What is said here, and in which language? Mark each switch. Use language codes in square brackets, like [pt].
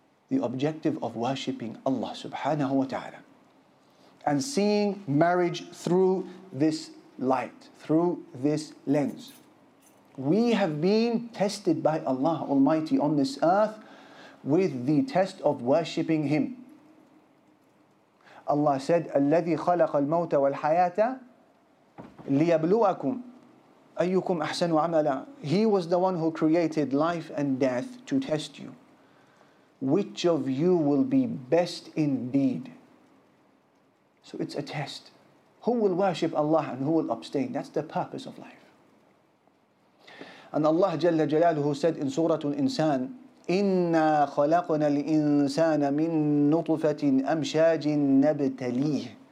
[en] The objective of worshipping Allah subhanahu wa ta'ala. And seeing marriage through this light, through this lens. We have been tested by Allah Almighty on this earth with the test of worshipping Him. Allah said, [ar] الَّذِي خَلَقَ الْمَوْتَ وَالْحَيَاةَ لِيَبْلُوَكُمْ أَيُّكُمْ أَحْسَنُ عَمَلًا. [en] He was the one who created life and death to test you. Which of you will be best indeed? So it's a test. Who will worship Allah and who will abstain? That's the purpose of life. And Allah Jalla Jalaluhu said in Surah Al-Insan, [ar] إِنَّا خَلَقْنَا الْإِنسَانَ مِن نُطْفَةٍ أَمْشَاجٍ نَبْتَلِيهِ.